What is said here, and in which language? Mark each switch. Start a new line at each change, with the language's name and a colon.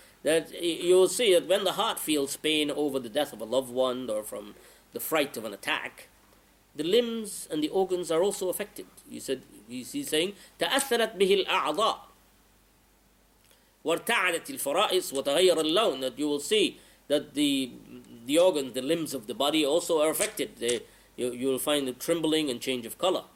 English: That you will see that when the heart feels pain over the death of a loved one or from the fright of an attack, the limbs and the organs are also affected. He's saying,
Arabic: تَأَثَّرَتْ بِهِ الْأَعْضَاءِ وَارْتَعَدَتِ الْفَرَائِسِ وَتَغَيَّرَ اللَّوْنِ.
English: That you will see that the organs, the limbs of the body also are affected. You will find the trembling and change of color.